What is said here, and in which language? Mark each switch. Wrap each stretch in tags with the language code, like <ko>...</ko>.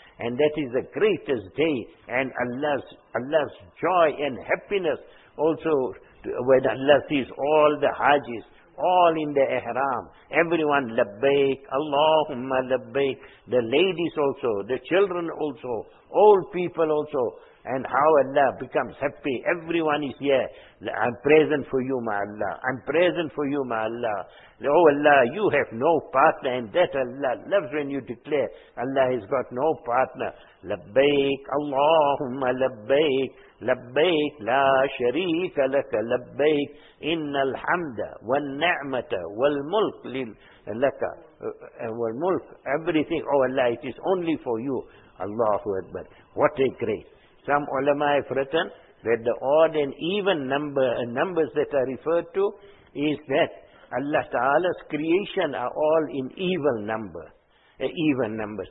<en>And that is the greatest day. And Allah's joy and happiness also, when Allah sees all the hajis, all in the ihram, everyone labbaik, Allahumma labbaik, the ladies also, the children also, old people also, and how Allah becomes happy, everyone is here, I'm present for you, my Allah, I'm present for you, my Allah. Oh Allah, you have no partner, and that Allah loves when you declare, Allah has got no partner, labbaik, Allahumma labbaik.</en> <ar>لبيك لا شريك لك لبيك إن الحمد والنعمة والملك لك والملك</ar> <en>everything. Oh Allah, it is only for you. Allahu Akbar. What a grace. Some ulama have written that the odd and even numbers that are referred to is that Allah Ta'ala's creation are all in evil number, even numbers.</en>